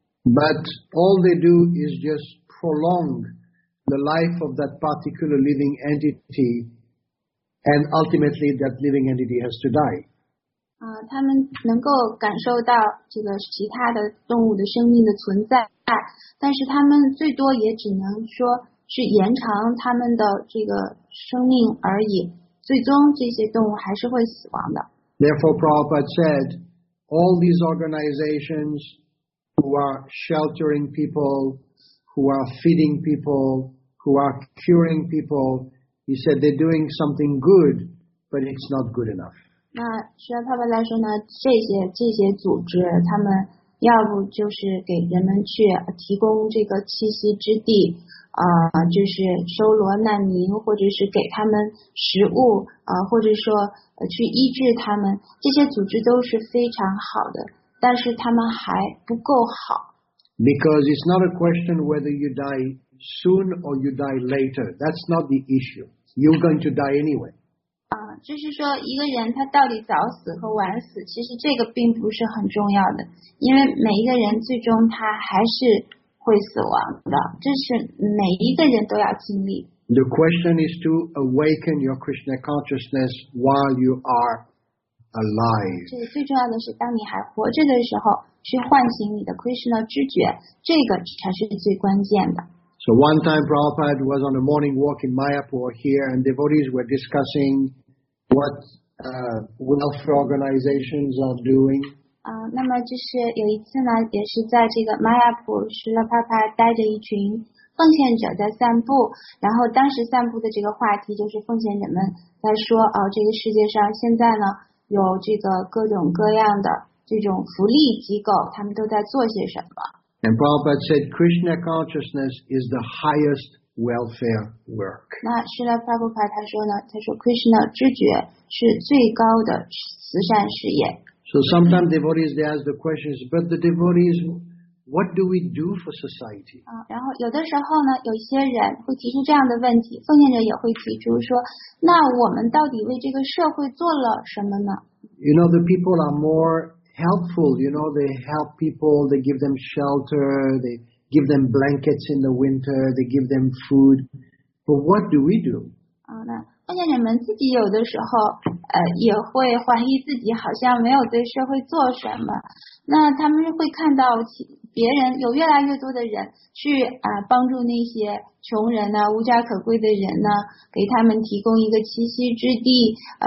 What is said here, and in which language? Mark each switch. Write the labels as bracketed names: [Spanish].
[English] But all they do is just prolong the life of that particular living entity, and ultimately that living entity has to die. [Chinese] 他们能够感受到这个其他的动物的生命的存在，但是他们最多也只能说。是延长他们的这个生命而已，最终这些动物还是会死亡的。 [English] Therefore, Prabhupada said, all these organizations who are sheltering people, who are feeding people, who are curing people, he said they're doing something good, but it's not good enough. [Chinese] 那释迦牟尼来说呢，这些组织，他们要不就是给人们去提供这个栖息之地。就是收罗难民，或者是给他们食物，或者说去医治他们，这些组织都是非常好的，但是他们还不够好。 [English] Because it's not a question whether you die soon or you die later. That's not the issue. You're going to die anyway. [Chinese] 就是说一个人他到底早死和晚死，其实这个并不是很重要的，因为每一个人最终他还是。会死亡的，这是每一个人都要经历。 [English] The question is to awaken your Krishna consciousness while you are alive. [Chinese] 这最重要的是，当你还活着的时候，去唤醒你的 Krishna 知觉，这个才是最关键的。 [English] So one time, Prabhupada was on a morning walk in Mayapur here, and devotees were discussing what welfare organizations are doing. [Chinese] 那么就是有一次呢，也是在这个玛雅普，施乐帕帕带着一群奉献者在散步，然后当时散步的这个话题就是奉献者们在说，这个世界上现在呢有这个各种各样的这种福利机构，他们都在做些什么。 [English] And Prabhupada said, Krishna consciousness is the highest welfare work. [Chinese] 那施乐帕帕他说呢，他说 Krishna 知觉是最高的慈善事业。 [English] So sometimes devotees, they ask the questions, but the devotees, what do we do for society? [Chinese] 然后有的时候呢，有些人会提出这样的问题，奉献者也会提出说，那我们到底为这个社会做了什么呢？ [English] You know, the people are more helpful, you know, they help people, they give them shelter, they give them blankets in the winter, they give them food, but what do we do? [Chinese] 奉献者们自己有的时候，也会怀疑自己好像没有对社会做什么。那他们会看到别人有越来越多的人去帮助那些穷人呢、无家可归的人呢，给他们提供一个栖息之地。